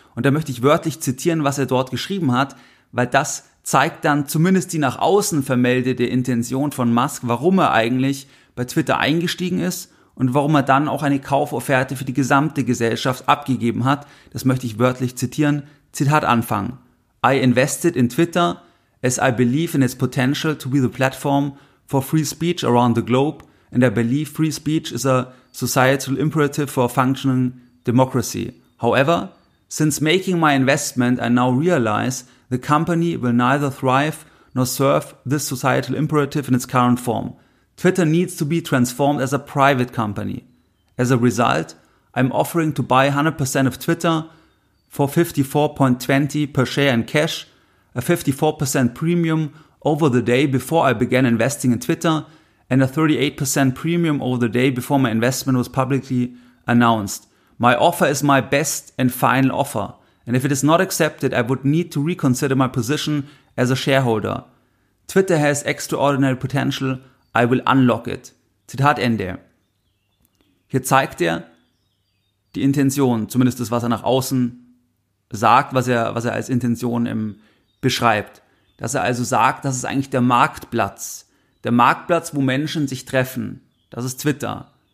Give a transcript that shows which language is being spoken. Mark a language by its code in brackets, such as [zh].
[de] Und da möchte ich wörtlich zitieren, was er dort geschrieben hat, weil das zeigt dann zumindest die nach außen vermeldete Intention von Musk, warum er eigentlich bei Twitter eingestiegen ist und warum er dann auch eine Kaufofferte für die gesamte Gesellschaft abgegeben hat. Das möchte ich wörtlich zitieren. Zitat Anfang. [en] I invested in Twitter as I believe in its potential to be the platform for free speech around the globe, and I believe free speech is a societal imperative for a functioning democracy. However, since making my investment, I now realize the company will neither thrive nor serve this societal imperative in its current form. Twitter needs to be transformed as a private company. As a result, I'm offering to buy 100% of Twitter for 54.20 per share in cash, a 54% premium over the day before I began investing in Twitter, and a 38% premium over the day before my investment was publicly announced. My offer is my best and final offer, and if it is not accepted, I would need to reconsider my position as a shareholder. Twitter has extraordinary potential, I will unlock it. [de] Zitat Ende. Hier zeigt er die Intention, zumindest das, was er nach außen sagt, was er als Intention beschreibt. Dass er also sagt, das ist eigentlich der Marktplatz. Der Marktplatz, wo Menschen sich treffen, das ist Twitter.